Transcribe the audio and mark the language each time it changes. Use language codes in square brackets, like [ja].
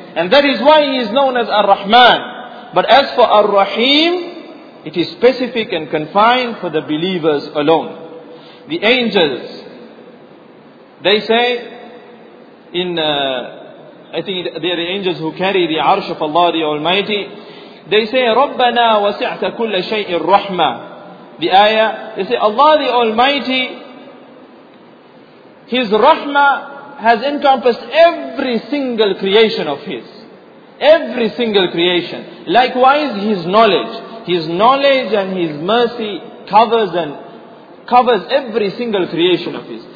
[en] And that is why He is known as Ar-Rahman. But as for Ar-Rahim, it is specific and confined for the believers alone. The angels, they say, they are the angels who carry the arsh of Allah the Almighty. They say, [ar] رَبَّنَا وَسِعْتَ كُلَّ شَيْءٍ رَحْمًا. [en] The ayah, they say, Allah the Almighty, His rahmah has encompassed every single creation of His. Every single creation. Likewise, His knowledge. His knowledge and His mercy covers every single creation of His.